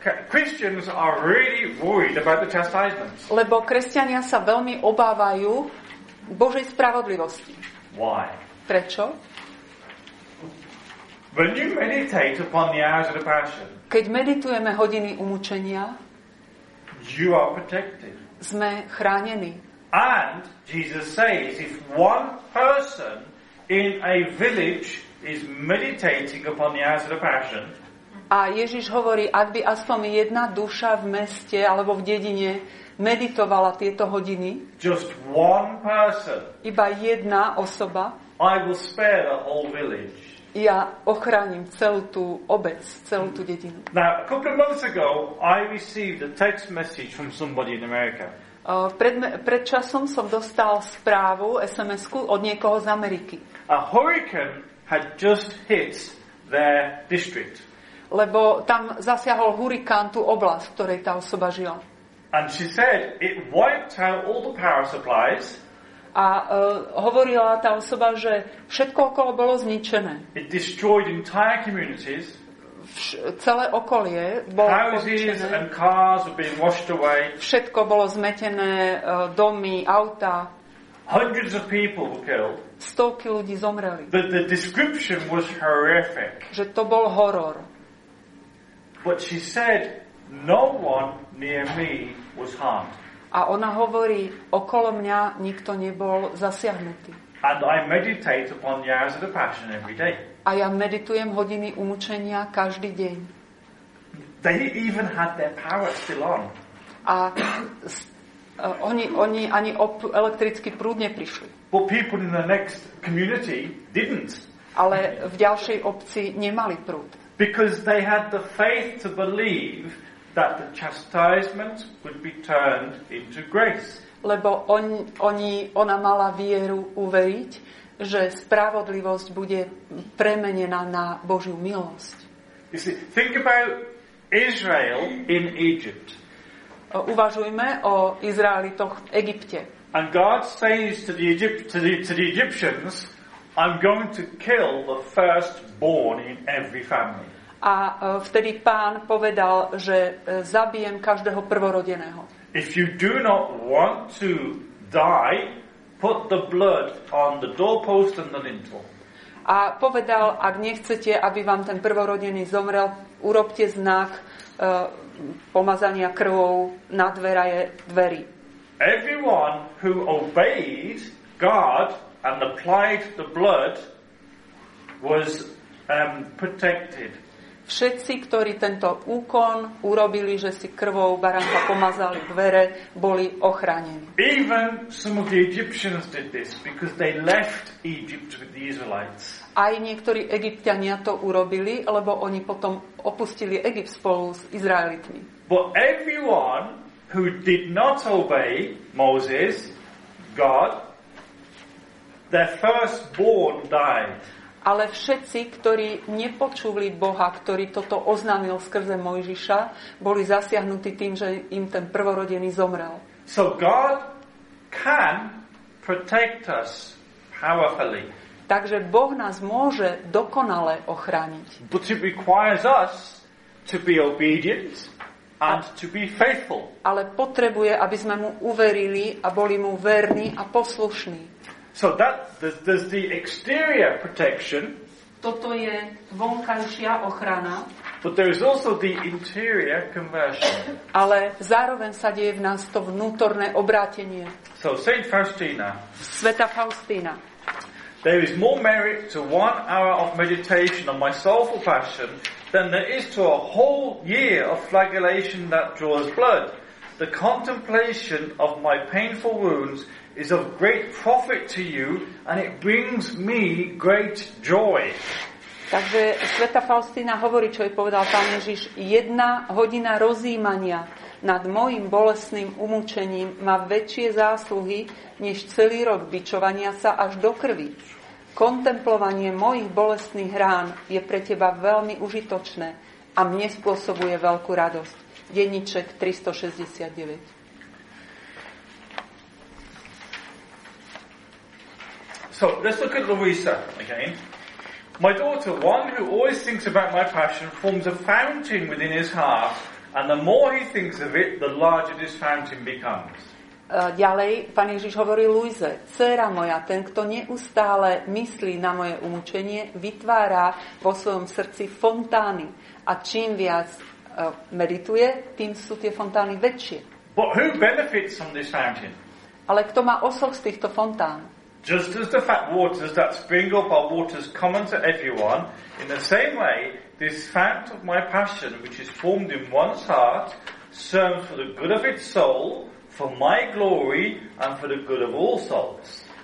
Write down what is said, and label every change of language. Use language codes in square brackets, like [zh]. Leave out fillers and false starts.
[en] Christians are really worried about the chastisements. [sk] Lebo kresťania sa veľmi obávajú Božej spravodlivosti. [en] Why? [sk] Prečo? [en] When you meditate upon the hours of the passion. [sk] Keď meditujeme hodiny umučenia, [en] you are protected. [sk] Sme chránení. [en] And Jesus says, if one person in a village is meditating upon the hours of the passion, [sk] a Ježiš hovorí, ak by aspoň jedna duša v meste alebo v dedine meditovala tieto hodiny, [en] just one person, [sk] iba jedna osoba, [en] I will spare the whole village. [sk] Ja ochránim celú tú obec, celú tú dedinu. [en] Now, a couple of months ago, I received a text message from somebody in America. [sk] Pred časom som dostal správu, SMS-ku, od niekoho z Ameriky. [en] A hurricane had just hit their district. [sk] Lebo tam zasiahol hurikán tú oblasť, v ktorej tá osoba žila. [en] And she said it wiped out all the power supplies. [sk] A hovorila tá osoba, že všetko okolo bolo zničené. [en] It destroyed entire communities. [sk] Celé okolie bolo zničené. [en] Houses and cars were being washed away. [sk] Všetko bolo zmetené, domy, auta. [en] Hundreds of people were killed. [sk] Stovky ľudí zomreli. [en] The description was horrific. [sk] Že to bol horor. [en] But she said no one near me was harmed. [sk] A ona hovorí, okolo mňa nikto nebol zasiahnutý. [en] And I meditate upon the hours of the passion every day. [sk] A ja meditujem hodiny umučenia každý deň. [en] They even had their power still on. [sk] A oni ani elektrický prúd neprišli. [en] But people in the next community didn't. [sk] Ale v ďalšej obci nemali prúd. [en] Because they had the faith to believe that the chastisement would be turned into grace. [sk] Lebo ona mala vieru uveriť, že spravodlivosť bude premenená na Božiu milosť. [en] You see, think about Israel in Egypt. [sk] Uvažujme o Izraelitoch v Egypte. [en] And God says to the Egyptians, I'm going to kill the firstborn in every family. [sk] A vtedy Pán povedal, že zabijem každého prvorodeného. [en] If you do not want to die, put the blood on the doorpost and the lintel. [sk] A povedal, ak nechcete, aby vám ten prvorodený zomrel, urobte znak pomazania krvou na dveraje dveri. [en] Everyone who obeyed God and applied the blood was protected. [sk] Všetci, ktorí tento úkon urobili, že si krvou baranka pomazali dvere, boli ochránení. [en] Even some of the Egyptians did this because they left Egypt with the Israelites. [sk] Aj niektorí Egypťania to urobili, lebo oni potom opustili Egypt spolu s Izraelitmi. [en] But everyone who did not obey Moses, God, their firstborn died. [sk] Ale všetci, ktorí nepočuli Boha, ktorý toto oznámil skrze Mojžiša, boli zasiahnutí tým, že im ten prvorodený zomrel. [en] So God can protect us powerfully. [sk] Takže Boh nás môže dokonale ochrániť. [en] But it requires us to be obedient and to be faithful. [sk] Ale potrebuje, aby sme mu uverili a boli mu verní a poslušní. [en] So that there's the exterior protection. [sk] Toto je vonkajšia ochrana. [en] But there is also the interior conversion. [sk] Ale zároveň sa deje v nás to vnútorné obrátenie. [en] So Saint Faustina. [sk] Sveta Faustína. [en] There is more merit to 1 hour of meditation on my soulful passion than there is to a whole year of flagellation that draws blood. The contemplation of my painful wounds is of great profit to you and it brings me great joy. [sk] Takže Sveta Faustína hovorí, čo jej povedal Pán Ježiš, jedna hodina rozjímania nad mojim bolestným umúčením má väčšie zásluhy než celý rok bičovania sa až do krvi. Kontemplovanie mojich bolestných rán je pre teba veľmi užitočné a mne spôsobuje veľkú radosť. Denníček 369. [en] So, let's look at Louisa again. My daughter, one who always thinks about my passion, forms a fountain within his heart, and the more he thinks of it, the larger this fountain becomes. [sk] Ďalej, Pán Ježiš hovorí Louise, dcéra moja, ten, kto neustále myslí na moje umučenie, vytvára vo svojom srdci fontány. A čím viac medituje, tým sú tie fontány väčšie. [en] But who benefits from this fountain? [sk] Ale kto má osoch z týchto fontán? [en] Just as the fat waters that spring up are waters common to everyone, in the same way, this fount of my passion, which is formed in one's heart, serves for the good of its soul, for my glory, and for the good of all souls.